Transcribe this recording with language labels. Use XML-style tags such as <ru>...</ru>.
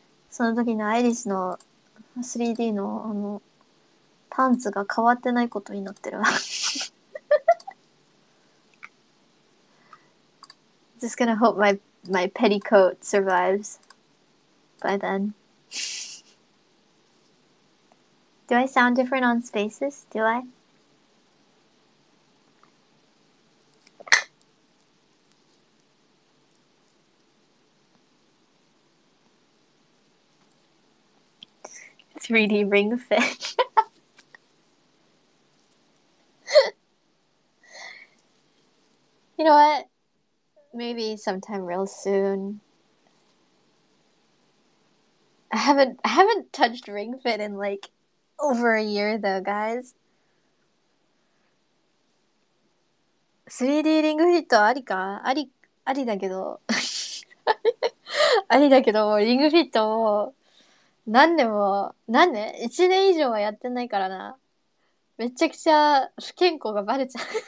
<ja>その時のアイリスの 3D のあのパンツが変わってないことになってるわ。</ja> <en>Just gonna hope my petticoat survives by then. Do I sound different on spaces? Do I? 3D ring fit. You know what? Maybe sometime real soon. I haven't touched ring fit in like over a year though, guys.</en> <ja>3D ring fit ありか? ありだけど。ありだけど、リングフィットを何でも、何で?1年以上はやってないからな。めちゃくちゃ不健康がバレちゃう。</ja>